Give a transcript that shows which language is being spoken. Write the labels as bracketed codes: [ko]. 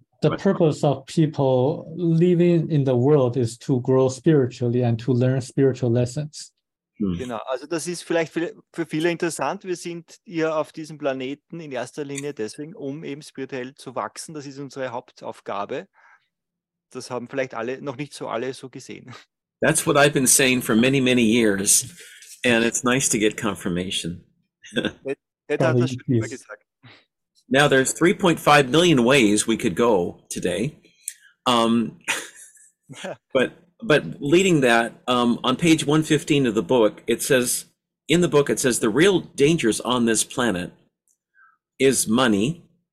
[en] The purpose of people living in the world is to grow spiritually and to learn spiritual lessons. [de] Genau, also das ist vielleicht für viele interessant. Wir sind hier auf diesem Planeten in erster Linie deswegen, um eben spirituell zu wachsen. Das ist unsere Hauptaufgabe. Das haben vielleicht alle, noch nicht so alle so gesehen. [en] That's what I've been saying for many, many years. And it's nice to get confirmation. [de] Ted hat das schon immer gesagt. [en] Now there's 3.5 million ways we could go today. But leading that, on page 115 of the book, it says, in the book, it says the real dangers on this planet is money.